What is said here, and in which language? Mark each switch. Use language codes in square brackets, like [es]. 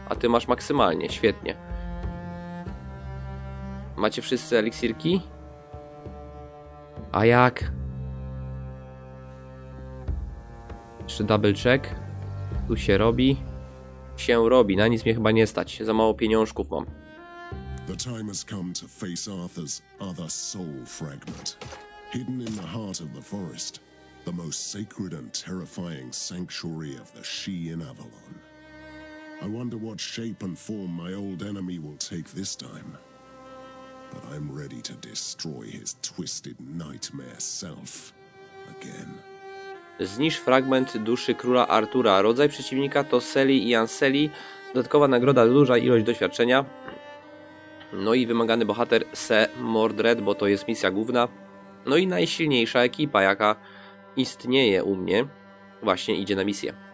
[pl] A ty masz maksymalnie, świetnie. Macie wszyscy eliksirki? A jak? Jeszcze [en] double check. [pl] Tu się robi. Się robi, na nic mnie chyba nie stać. Za mało pieniążków mam. [en] The time has come to face Arthur's other soul fragment. Hidden in the heart of the forest, the most sacred and terrifying sanctuary of the Sheen Avalon. I wonder what shape and form my old enemy will take this time. But I'm ready to destroy his twisted nightmare self again. [pl] Zniszcz fragment duszy króla Artura. Rodzaj przeciwnika to Selly i Anselly. Dodatkowa nagroda, duża ilość doświadczenia. No i wymagany bohater Se Mordred, bo to jest misja główna. No i najsilniejsza ekipa, jaka istnieje u mnie, właśnie idzie na misję.